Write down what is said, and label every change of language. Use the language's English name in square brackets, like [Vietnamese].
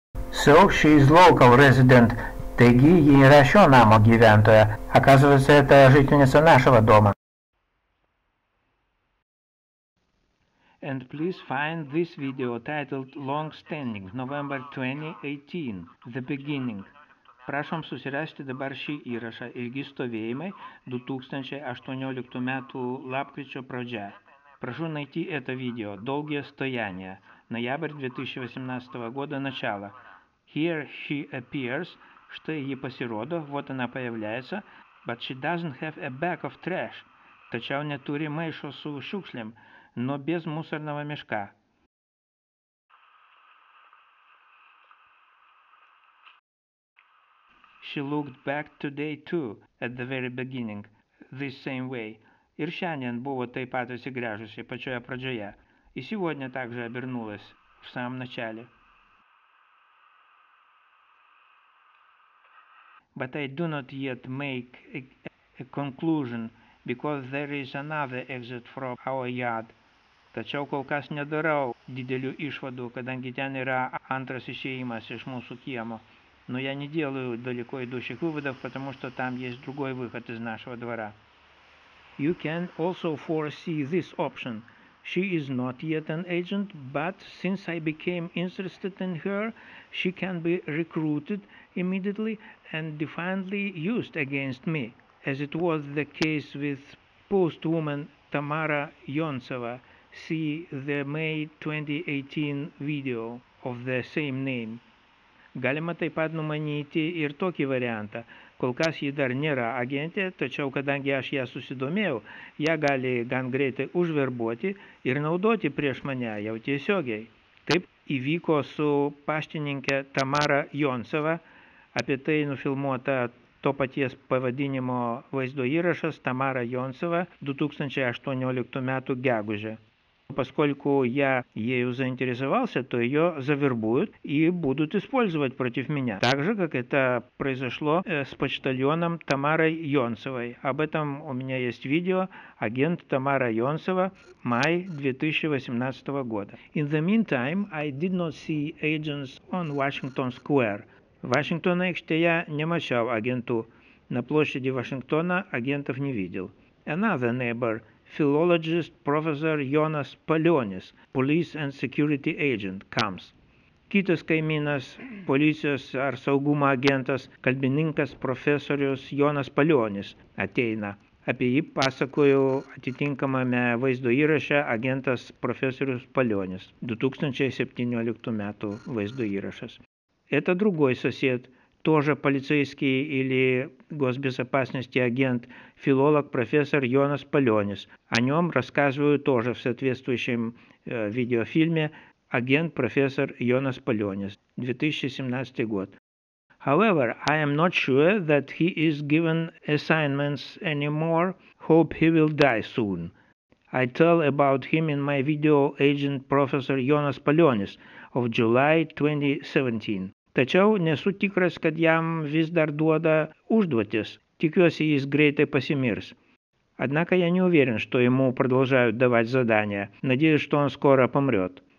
[English] So she is local resident. [Lithuanian] Taigi, ji yra šio namo gyventoja. [Russian] Оказывается, это жительница нашего дома. [English] And please find this video titled Long Standing, November 2018, The Beginning. [Lithuanian] Прашом susirasti dabar šį įrašą Ilgi stovėjimai 2018 metų lapkričio pradžia. [Russian] Прашу найти это видео Долгие стояния, ноябрь 2018 года начало. [English] Here she appears, [Lithuanian] štai ji pasirodo, [Russian] вот она появляется, [English] but she doesn't have a bag of trash. [Lithuanian] Tačiau neturi maišo su šiukšlėm. [Russian] Но без мусорного мешка. [English] She looked back today too, at the very beginning, this same way. [Lithuanian] Ir šiandien buvo taip pat įsigręžusi pačioje pradžioje. [Russian] И сегодня также обернулась в самом начале. [English] But I do not yet make a conclusion, because there is another exit from our yard. [Lithuanian] Tačiau kol kas nedarau didelių išvadų, kadangi ten yra antras išėjimas iš mūsų kiemo. [Russian] Но я не делаю далеко идущих выводов, потому что там есть другой выход из нашего двора. [English] You can also foresee this option. She is not yet an agent, but since I became interested in her, she can be recruited immediately and defiantly used against me, as it was the case with postwoman Tamara Yontseva. See the May 2018 video of the same name. [Lithuanian] Galima taip pat numanyti ir tokį variantą. Kol kas ji dar nėra agentė, tačiau kadangi aš ją susidomėjau, ją gali gan greitai užverbuoti ir naudoti prieš mane jau tiesiogiai. Taip įvyko su paštininke Tamara Yontseva, apie tai nufilmuota to paties pavadinimo vaizdo įrašas Tamara Yontseva 2018 metų gegužę. [Russian] Поскольку я ею заинтересовался, то ее завербуют и будут использовать против меня. Так же, как это произошло с почтальоном Тамарой Йонцевой. Об этом у меня есть видео «Агент Тамара Йонцева. Май 2018 года». [English] In the meantime, I did not see agents on Washington Square. [Lithuanian] Вашингтона их штея не мочал агенту. [Russian] На площади Вашингтона агентов не видел. [English] Another neighbor, philologist professor Jonas Palionis, police and security agent, comes. [Lithuanian] Kitas kaiminas, policijos ar saugumo agentas, kalbininkas profesorius Jonas Palionis ateina. Apie jį pasakojau atitinkamame vaizdo įraše agentas profesorius Palionis. 2017 metų vaizdo įrašas. [Russian] Это другой сосед, тоже полицейский или госбезопасности агент, филолог-профессор Йонас Палионис. О нем рассказываю тоже в соответствующем видеофильме агент-профессор Йонас Палионис, 2017 год. [English] However, I am not sure that he is given assignments anymore. Hope he will die soon. I tell about him in my video agent-professor Йонас Палионис of July 2017. [Lithuanian] Tačiau nesu tikras, kad jam vis dar duoda užduotis. Tikiuosi, jis greitai pasimirs. [Russian] Однако я не уверен, что ему продолжают давать задания. Надеюсь, что он скоро помрет.